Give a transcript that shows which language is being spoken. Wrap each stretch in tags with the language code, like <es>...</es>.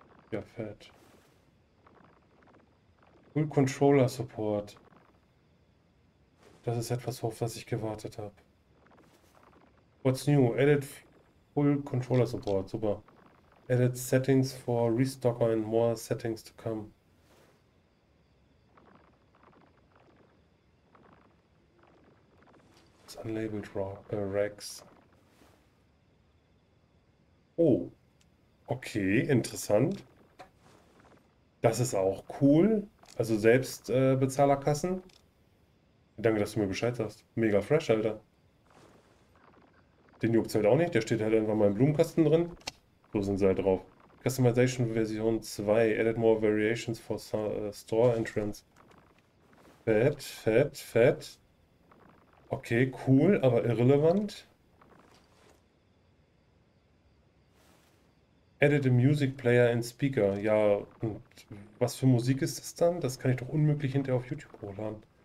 <de>Ja, fett. Cool Controller Support. Das ist etwas, auf was ich gewartet habe.</de> <en>What's new? Added full controller support. Super. Added settings for restocker and more settings to come. It's unlabeled racks.</en> <de>Oh. Okay, interessant. Das ist auch cool. Also selbst Bezahlerkassen. Danke, dass du mir Bescheid sagst. Mega fresh, Alter. Den juckt's halt auch nicht. Der steht halt einfach mal im Blumenkasten drin. So sind sie halt drauf.</de> <en>Customization Version 2. Added more variations for store entrance.</en> <de>Fett, fett, fett. Okay, cool, aber irrelevant.</de> <en>Added a music player and speaker.</en> <de>Ja, und was für Musik ist das dann? Das kann ich doch unmöglich hinterher auf YouTube hochladen.</de>